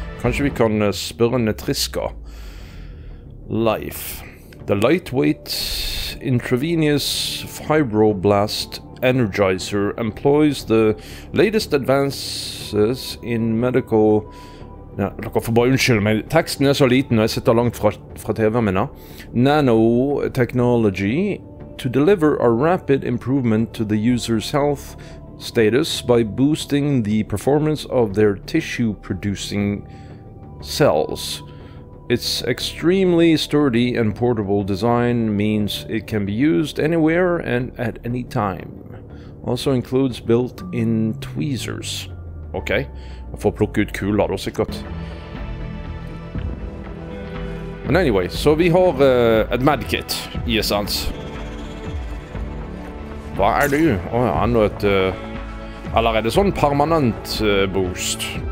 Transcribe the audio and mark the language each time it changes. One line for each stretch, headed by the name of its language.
Norwegian: kanskje vi kan spørre Netriska. Life.
English: The lightweight intravenous fibroblast energizer employs the latest advances in medical...
Norwegian: Ja, dere får bare unnskyld meg. Teksten er så liten og jeg sitter langt fra TV-en min, ja.
English: Nanotechnology to deliver a rapid improvement to the user's health status by boosting the performance of their tissue-producing cells. Its extremely sturdy and portable design means it can be used anywhere and at any time. Also includes built-in tweezers. Okay.
Norwegian: Jeg får plukke ut kuler da, sikkert. Men anyway, så vi har et medkit, i essens. Hva er det? Åh, oh, ja, enda et... eller er det sånn permanent boost?